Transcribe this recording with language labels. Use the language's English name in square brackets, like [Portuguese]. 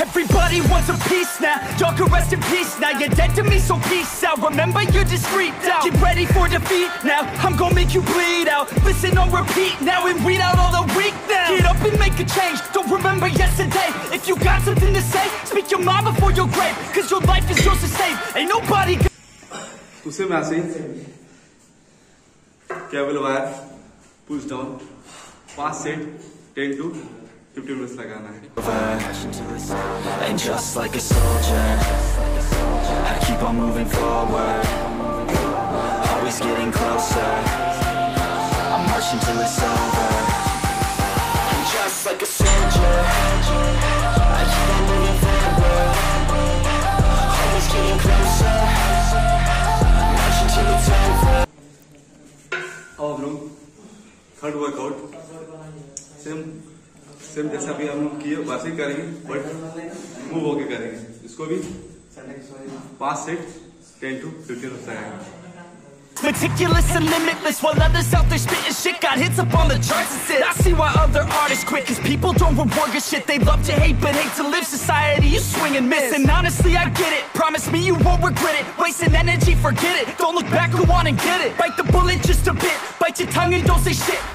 [English] Everybody wants a piece now, y'all can rest in peace now. You're dead to me, so peace out, remember you just freaked out. Get ready for defeat now, I'm gonna make you bleed out. Listen on repeat now and weed out all the weak now. Get up and make a change, don't remember yesterday. If you got something to say, speak your mind before your grave. Cause your life is yours to save, ain't nobody can... [Hindi] उसे मैं ऐसे ही [English] cable wire push down [Hindi] 5 set 10 to 15 minutes लगाना है। [English] And just like a soldier, I keep on moving forward, always getting closer, I'm marching till it's over. [Hindi] Third workout same जैसा अभी हम लोग किए वैसे ही करेंगे, बट मूव होके करेंगे। इसको भी 5 सेट 10 to 15 मिनट लगाएंगे। [English] Meticulous and limitless, while others out there spitting shit, got hits up on the charts and sit. I see why other artists quit, cause people don't reward your shit. They love to hate, but hate to live. Society, you swing and miss. And honestly, I get it, promise me you won't regret it. Wasting energy, forget it, don't look back, go on and get it. Bite the bullet just a bit, bite your tongue and don't say shit.